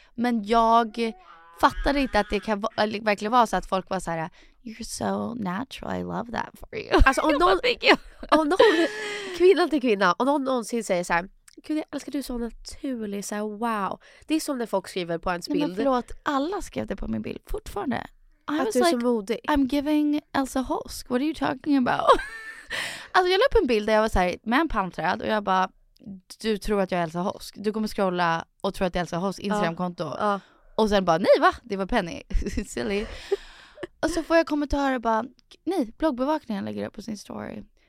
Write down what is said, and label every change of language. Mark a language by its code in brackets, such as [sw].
[sv] Men jag fattade inte att det kan verkligen vara så att folk var så här, [en] you're so natural, I love that for you. [sv] Alltså om någon, om någon kvinna till kvinna, om någon någonsin säger så här, gud, jag älskar, du så naturlig, så här, wow. Det är som när folk skriver på ens bild. Nej, men förlåt, alla skrev det på min bild fortfarande. I att du är [en] like, [sv] så modig. [en] I'm giving Elsa Hosk, what are you talking about? [sv] Alltså jag la upp en bild där jag var så här, med en palmträd och jag bara, du tror att jag är Elsa Hosk. Du kommer scrolla och tror att det är Elsa Hosk Instagramkonto. Och sen bara, nej va? Det var Penny. Silly. Och så får jag kommentarer bara, nej, bloggbevakningen lägger upp på sin story.